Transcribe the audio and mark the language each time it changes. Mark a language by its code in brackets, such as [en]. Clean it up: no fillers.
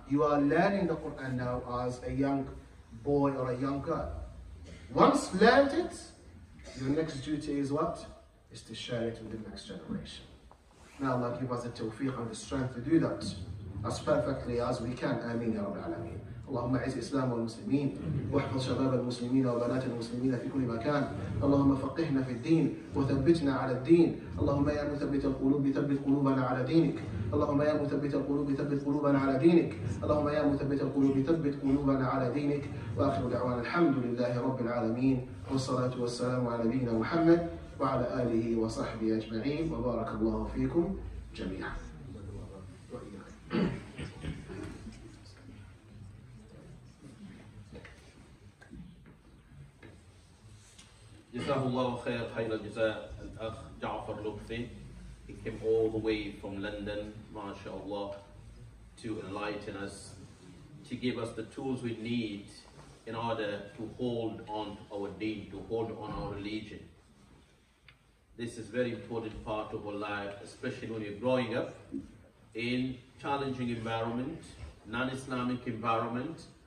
[en] You are learning the Quran now as a young boy or a young girl. Once learned it, your next duty is what? Is to share it with the next generation. May Allah give us the tawfiq and the strength to do that as perfectly as we can. Ameen ya Rabbil Alameen. [ar] اللهم اعز الاسلام والمسلمين واحفظ شباب المسلمين وبنات المسلمين في كل مكان اللهم فقهنا في الدين وثبتنا على الدين اللهم يا مثبت القلوب ثبت قلوبنا على دينك اللهم يا مثبت القلوب ثبت قلوبنا على دينك اللهم يا مثبت القلوب ثبت قلوبنا على دينك واخر دعوانا الحمد لله رب العالمين والصلاه والسلام على نبينا محمد وعلى اله وصحبه اجمعين وبارك الله فيكم جميعا. جزاه الله خير خير الجزاء الأخ جعفر لطفي. [en] He came all the way from London, mashallah, to enlighten us, to give us the tools we need in order to hold on to our deen, to hold on our religion. This is a very important part of our life, especially when you're growing up in challenging environment, non-Islamic environment.